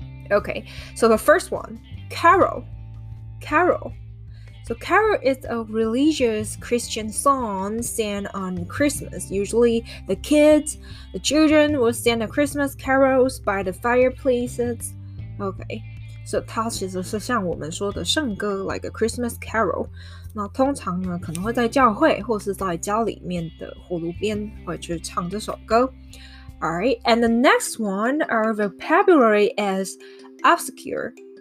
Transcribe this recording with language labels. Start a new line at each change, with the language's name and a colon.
English: Okay, so the first one, carol. So carol is a religious Christian song sang on Christmas. Usually the children will sing the Christmas carols by the fireplaces. Okay, so
Chinese: 它其实是像我们说的圣歌
English: like a Christmas carol.
Chinese: 那通常呢可能会在教会或是在家里面的火炉边会去唱这首歌。
English: Alright, and the next one, our vocabulary is obscure.